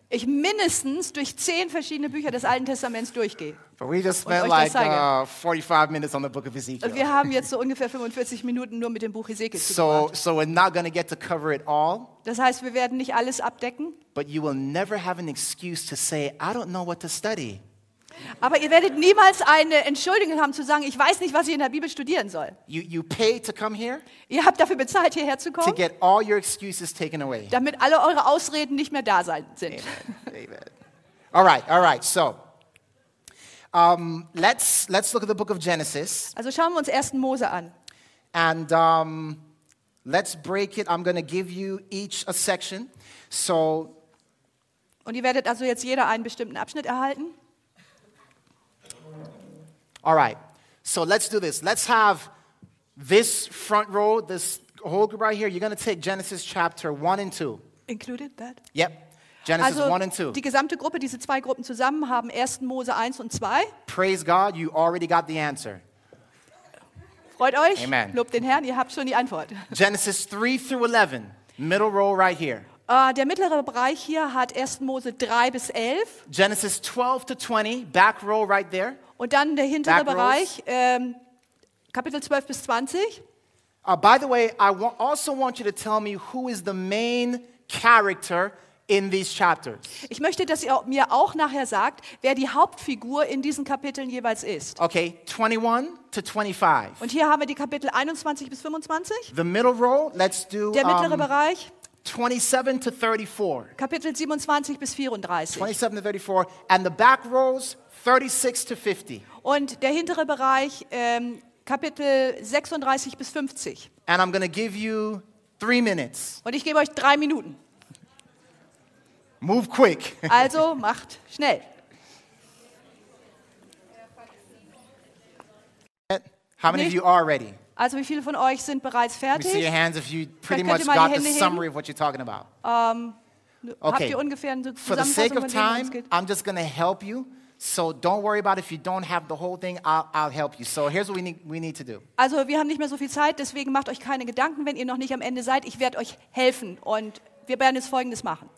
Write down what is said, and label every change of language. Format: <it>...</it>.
<de>Ich mindestens durch 10 verschiedene Bücher des Alten Testaments durchgehe.</de> <en>But we just spent like 45 minutes on the book of Ezekiel.</en> <de>Wir haben jetzt so ungefähr 45 Minuten nur mit dem Buch Ezekiel zugebracht.</de> <en>So we're not going to get to cover it all.</en> <de>Das heißt, wir werden nicht alles abdecken.</de> <en>But you will never have an excuse to say, I don't know what to study.</en> <de>Aber ihr werdet niemals eine Entschuldigung haben zu sagen, ich weiß nicht, was ich in der Bibel studieren soll.</de> <en>You pay to come here,</en> <de>ihr habt dafür bezahlt, hierher zu kommen,</de> <en>to get all your excuses taken away.</en> <de>Damit alle eure Ausreden nicht mehr da sind.</de> <en>Amen. All right. So, let's look at the book of Genesis.</en> <de>Also schauen wir uns 1. Mose an.</de> <en>And let's break it. I'm going to give you each a section. So,</en> <de>und ihr werdet also jetzt jeder einen bestimmten Abschnitt erhalten.</de> <en>All right, so let's do this. Let's have this front row, this whole group right here. You're going to take Genesis chapter 1 and 2. Included that? Yep, Genesis</en> <de>also,</de> <en>1 and 2.</en> <de>Die gesamte Gruppe, diese zwei Gruppen zusammen, haben 1. Mose 1 und 2.</de> <en>Praise God, you already got the answer.</en> <de>Freut euch.</de> <en>Amen.</en> <de>Lobt den Herrn, ihr habt schon die Antwort.</de> <en>Genesis 3 through 11, middle row right here.</en> <de>Der mittlere Bereich hier hat 1. Mose 3 bis 11.</de> <en>Genesis 12 to 20, back row right there.</en> <de>Und dann der hintere Bereich, Kapitel 12 bis 20.</de> <en>By the way, I also want you to tell me who is the main character in these chapters.</en> <de>Ich möchte, dass ihr mir auch nachher sagt, wer die Hauptfigur in diesen Kapiteln jeweils ist.</de> <en>Okay, 21 to 25.</en> <de>Und hier haben wir die Kapitel 21 bis 25.</de> <en>The middle row, let's do,</en> <de>der mittlere Bereich.</de> <en>27 to 34.</en> <de>Kapitel 27 bis 34.</de> <en>27 to 34. And the back rows, 36 to 50.</en> <de>Und der hintere Bereich, Kapitel 36 bis 50.</de> <en>And I'm going to give you 3 minutes.</en> <de>Und ich gebe euch 3 Minuten.</de> <en>Move quick.</en> <de>Also macht schnell.</de> <en>How many of you are ready?</en> <de>Also wie viele von euch sind bereits fertig?</de> <en>See your hands if you pretty much got the summary of what you're talking about.</en> <de>Okay. Habt ihr ungefähr eine Zusammenfassung,</de> <en>for the sake of time, I'm just going to help you. So don't worry about it. If you don't have the whole thing, I'll help you. So here's what we need to do.</en> <de>Also, wir haben nicht mehr so viel Zeit, deswegen macht euch keine Gedanken, wenn ihr noch nicht am Ende seid. Ich werde euch helfen und wir werden jetzt Folgendes machen.</de>